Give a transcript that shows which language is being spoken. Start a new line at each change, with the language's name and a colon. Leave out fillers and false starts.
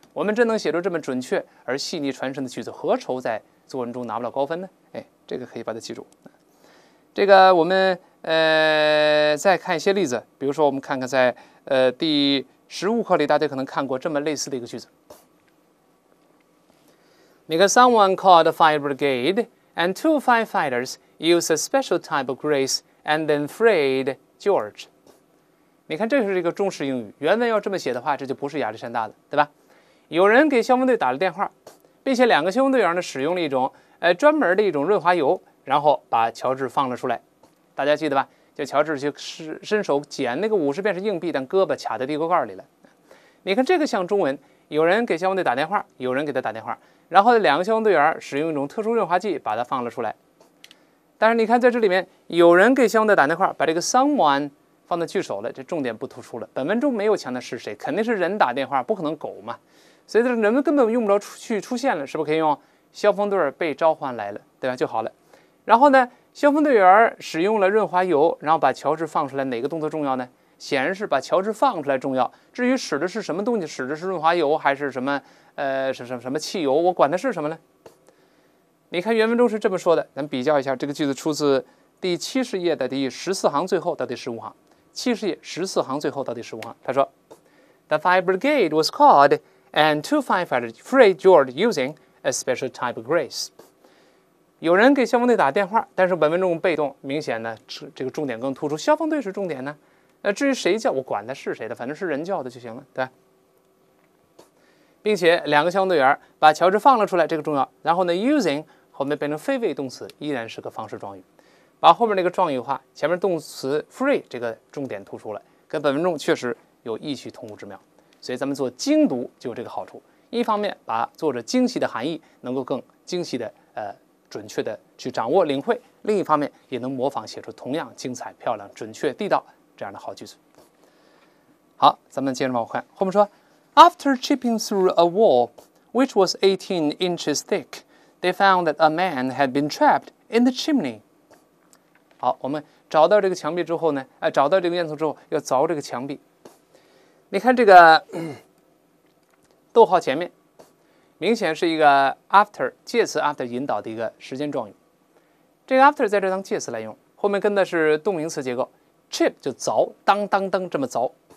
Chinese: 我们真能写出这么准确而细腻传神的曲子，何愁在作文中拿不了高分呢？哎，这个可以把它记住。这个我们再看一些例子，比如说我们看看在第15课里，大家可能看过这么类似的一个句子。
English: Because someone called a fire brigade and two firefighters used a special type of grease and then frayed George.
Chinese: 你看这就是一个中式英语，原文要这么写的话，这就不是亚历山大的，对吧？有人给消防队打了电话，并且两个消防队员呢使用了一种专门的一种润滑油，然后把乔治放了出来。大家记得吧，叫乔治去伸手捡那个50便士硬币，但胳膊卡在地沟盖里了。你看这个像中文，有人给消防队打电话，有人给他打电话，然后两个消防队员使用一种特殊润滑剂把它放了出来。但是你看在这里面，有人给消防队打电话，把这个 someone 放在句首了，这重点不突出了。本文中没有强调是谁，肯定是人打电话，不可能狗嘛，所以这人们根本用不着去出现了，是不是可以用消防队被召唤来了，对吧，就好了。然后呢，消防队员使用了润滑油，然后把乔治放出来，哪个动作重要呢？显然是把乔治放出来重要。至于使的是什么东西，使的是润滑油还是什么什么汽油，我管的是什么呢？你看原文中是这么说的，咱比较一下，这个句子出自第70页的第14行最后到第15行。 70页14行最后到第15行，他说
English: The fire brigade was called and two firefighters frayed George using a special type of grease。
Chinese: 有人给消防队打电话，但是本文中被动，明显呢这个重点更突出，消防队是重点呢。至于谁叫，我管他是谁的，反正是人叫的就行了，对。并且两个消防队员把乔治放了出来，这个重要。然后呢 ，using 后面变成非谓动词，依然是个方式状语，把后面那个状语化，前面动词 free 这个重点突出了，跟本文中确实有异曲同工之妙。所以咱们做精读就有这个好处，一方面把作者精细的含义能够更精细的准确的去掌握领会，另一方面也能模仿写出同样精彩漂亮准确地道这样的好句子。好，咱们接着往后看，后面说
English: After chipping through a wall which was 18 inches thick they found that a man had been trapped in the chimney。
Chinese: 好，我们找到这个墙壁之后呢找到这个烟囱之后要凿这个墙壁。你看这个逗号前面明显是一个 after 介词 after 引导的一个时间状语，这个 after 在这当介词来用，后面跟的是动名词结构， chip 就凿，当当当这么凿。